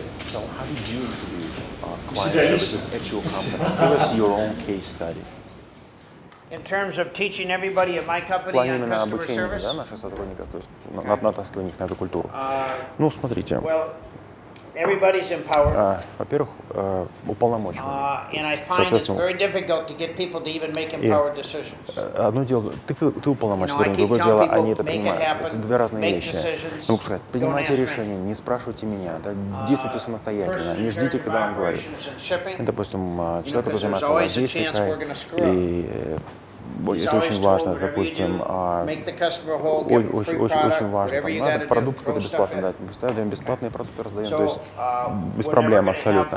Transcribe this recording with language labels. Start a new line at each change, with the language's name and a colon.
English: So, how did you introduce client services at your company? Give us your own case study. In terms of teaching everybody at my company,
Russian: в плане именно обучения, да, наших сотрудников, то есть натаскивание их на эту культуру. Ну, смотрите.
English: Everybody's empowered.
Russian: Во-первых, уполномоченный.
English: And I find it's very difficult to get people to even make empowered decisions.
Russian: Одно дело, ты уполномоченный, другое дело, они это понимают. Это две разные вещи. Я могу сказать, принимайте решение, не спрашивайте меня, да, действуйте самостоятельно, не ждите, когда вам говорят. Допустим, человек, который занимается логистикой, и это очень важно, допустим, очень важно, там, надо продукт какой-то бесплатный дать, ставим бесплатные продукты, раздаем, то есть без проблем абсолютно.